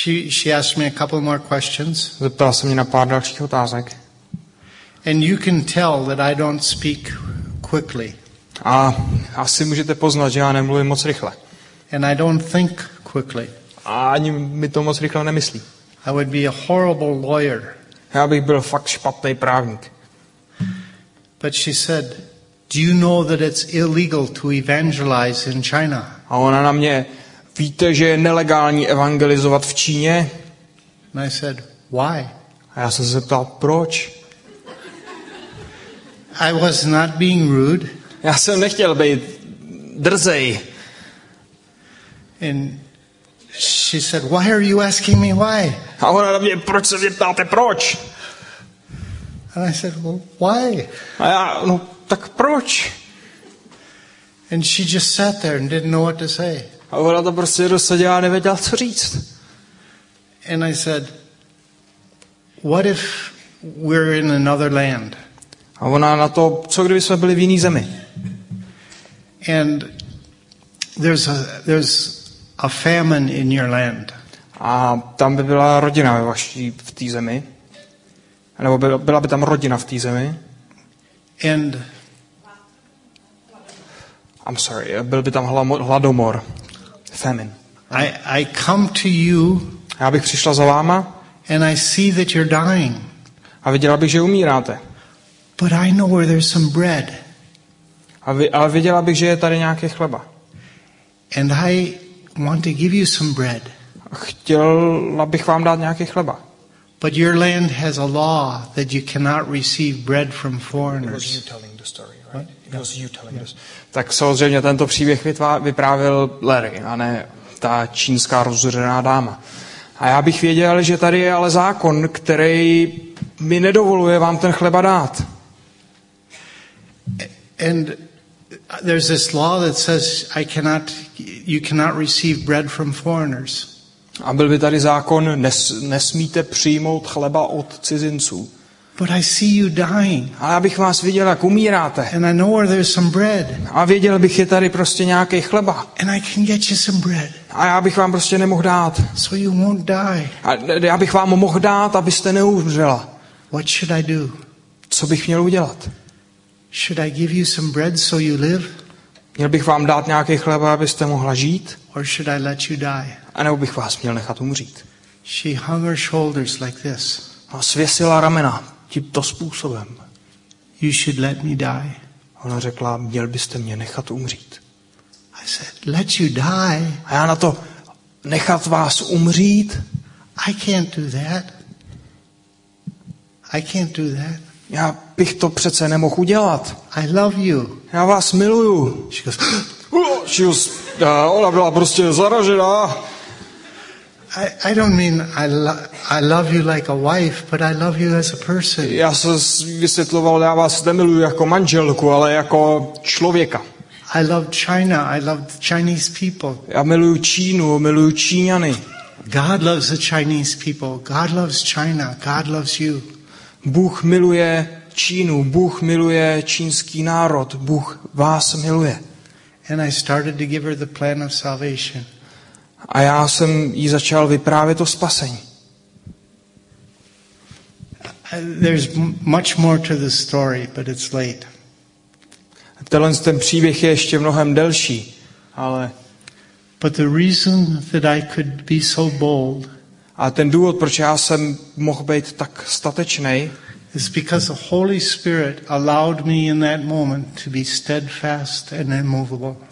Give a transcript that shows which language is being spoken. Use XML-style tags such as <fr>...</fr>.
<en>She asked me a couple more questions.</en> <cs>Zeptala se mě na pár dalších otázek.</cs> <en>And you can tell that I don't speak quickly.</en> <cs>A asi můžete poznat, že já nemluvím moc rychle.</cs> <en>And I don't think quickly.</en> <cs>A ani mi to moc rychle nemyslí.</cs> <en>I would be a horrible lawyer.</en> <cs>Já bych byl fakt špatný právník.</cs> <en>But she said, "Do you know that it's illegal to evangelize in China?"</en> <cs>A ona na mě, víte, že je nelegální evangelizovat v Číně?</cs> <en>And I said, "Why?"</en> <cs>A já jsem se zeptal, proč?</cs> <en>I was not being rude.</en> <cs>Já jsem nechtěl být drzej.</cs> <en>And she said, "Why are you asking me why?"</en> <cs>A ona na mě, proč se mě ptáte, proč?</cs> <en>And I said, "Well, why?"</en> <cs>A já, no, tak proč?</cs> <en>And she just sat there and didn't know what to say.</en> <cs>A ona to prostě dosadila a nevěděla, co říct.</cs> <en>And I said, "What if we're in another land?"</en> <cs>A ona na to, co kdyby jsme byli v jiný zemi?</cs> <en>And there's a famine in your land.</en> <cs>A tam by byla rodina ve vaší v té zemi. Nebo byla by tam rodina v té zemi.</cs> <en>And I'm sorry,</en> <cs>byl by tam hladomor. Famine.</cs> <en>I come to you.</en> <cs>Já bych přišla za váma.</cs> <en>And I see that you're dying.</en> <cs>A viděla bych, že umíráte.</cs> <en>But I know where there's some bread.</en> <cs>Ale viděla bych, že je tady nějaký chleba.</cs> <en>And I want to give you some bread.</en> <cs>Chtěla bych vám dát nějaký chleba.</cs> <en>But your land has a law that you cannot receive bread from foreigners. It was you telling the story, right? What? It was you telling us.</en> <cs>Tak samozřejmě tento příběh vyprávěl Larry, a ne ta čínská rozuřená dáma. A já bych věděl, že tady je ale zákon, který mi nedovoluje vám ten chleba dát.</cs> <en>And there's this law that says you cannot receive bread from foreigners.</en> <cs>A byl by tady zákon, nesmíte přijmout chleba od cizinců.</cs> <en>But I see you dying.</en> <cs>A já bych vás viděl, jak umíráte.</cs> <en>And I know where there's some bread.</en> <cs>A věděl bych, je tady prostě nějaký chleba.</cs> <en>And I can get you some bread.</en> <cs>A já bych vám prostě nemohl dát.</cs> <en>So you won't die.</en> <cs>A já bych vám mohl dát, abyste neumřela.</cs> <en>What should I do?</en> <cs>Co bych měl udělat?</cs> <en>Should I give you some bread so you live?</en> <cs>Měl bych vám dát nějaký chleba, abyste mohla žít?</cs> <en>Or should I let you die?</en> <cs>A nebo bych vás měl nechat umřít?</cs> <en>She hung her shoulders like this.</en> <cs>A svěsila ramena tímto způsobem.</cs> <en>You should let me die.</en> <cs>Ona řekla, měl byste mě nechat umřít.</cs> <en>I said, let you die.</en> <cs>A já na to, nechat vás umřít?</cs> <en>I can't do that. I can't do that.</en> <cs>Já bych to přece nemohl udělat.</cs> <en>I love you.</en> <cs>Já vás miluju.</cs> <en>She goes,</en> <cs>ona byla prostě zaražená.</cs> <en>I don't mean I love you like a wife, but I love you as a person.</en> <cs>Já se vysvětloval, já vás nemiluju jako manželku, ale jako člověka.</cs> <en>I love China. I love the Chinese people.</en> <cs>Já miluju Čínu, miluju Číňany.</cs> <en>God loves the Chinese people. God loves China. God loves you.</en> <cs>Bůh miluje Čínu, Bůh miluje čínský národ, Bůh vás miluje.</cs> <en>And I started to give her the plan of salvation.</en> <cs>A já jsem jí začal vyprávět o spasení.</cs> <en>There's much more to the story, but it's late.</en> <cs>Tenhle ten příběh je ještě mnohem delší, ale</cs> <en>but the reason that I could be so bold.</en> <cs>A ten důvod, proč já jsem mohl být tak statečný,</cs> <en>is because the Holy Spirit allowed me in that moment to be steadfast and immovable.</en>